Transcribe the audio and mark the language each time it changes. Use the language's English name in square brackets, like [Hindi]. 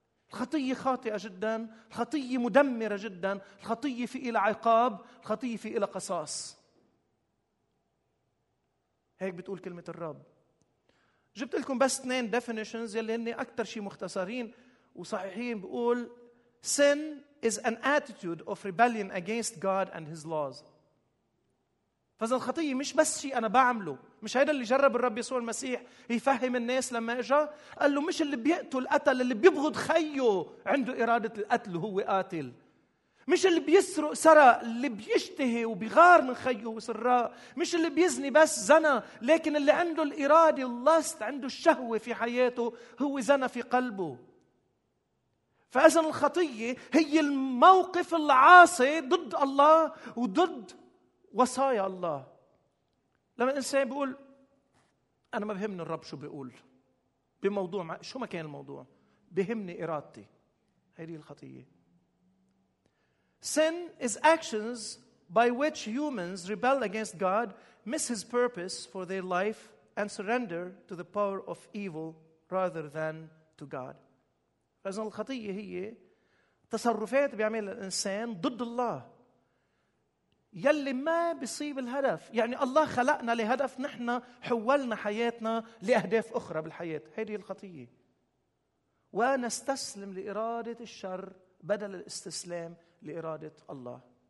[Arabic] الخطية خاطئة جدا، الخطية مدمرة جدا، الخطية في إلى عقاب، الخطية في إلى قصاص. هيك بتقول كلمة الرب. جبت لكم بس 2 definitions يلي هني أكتر شيء مختصرين وصحيحين. بقول [English] sin is an attitude of rebellion against God and His laws. [Arabic] فإذا الخطية مش بس شيء أنا بعمله، مش هيدا اللي جرب الرب يسوع المسيح يفهم الناس لما إجا، قال له مش اللي بيقتل قتل، اللي بيبغض خيه عنده إرادة القتل هو قاتل، مش اللي بيسرق سرق، اللي بيشتهي وبيغار من خيه وسراء، مش اللي بيزني بس زنى، لكن اللي عنده الإرادة اللاست عنده الشهوة في حياته هو زنى في قلبه. فإذا الخطية هي الموقف العاصي ضد الله وضد وصايا الله. لما الإنسان بيقول أنا ما بهمني الرب شو بيقول بموضوع، شو ما كان الموضوع بهمني إرادتي، هذه الخطية. [English] Sin is actions by which humans rebel against God, miss His purpose for their life and surrender to the power of evil rather than to God. [Arabic] فإذن الخطية هي تصرفات بيعمل الإنسان ضد الله يلي ما بيصيب الهدف. يعني الله خلقنا لهدف، نحن حولنا حياتنا لأهداف أخرى بالحياة، هذه الخطية. ونستسلم لإرادة الشر بدل الاستسلام لإرادة الله.